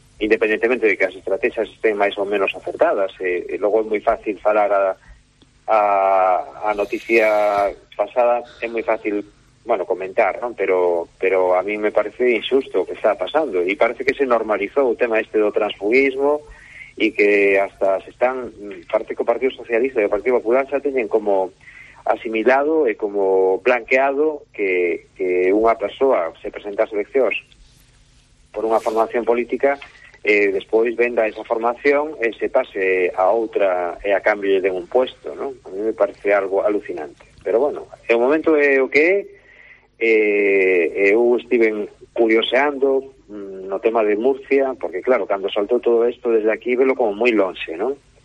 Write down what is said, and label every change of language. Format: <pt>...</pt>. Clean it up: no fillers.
<es>Independientemente de que las estrategias estén más o menos acertadas. Luego es muy fácil</es> <gl>falar a noticia pasada,</gl> <es>es muy fácil, bueno, comentar, ¿no? Pero a mí me parece injusto lo que está pasando. Y parece que se normalizó el tema este del transfugismo y que hasta se están... Parece que el Partido Socialista y el Partido Popular se tienen como...</es> <gl>asimilado e como blanqueado que unha persoa se presenta ás eleccións por unha formación política</gl> <es>después venda esa formación, se pase a otra a cambio de un puesto, ¿no? A mí me parece algo alucinante. Pero bueno, en un momento de</es> <gl>o que eu estive curioseando no tema de Murcia, porque claro, cando saltou todo isto desde aquí, velo como moi longe, ¿no?</gl>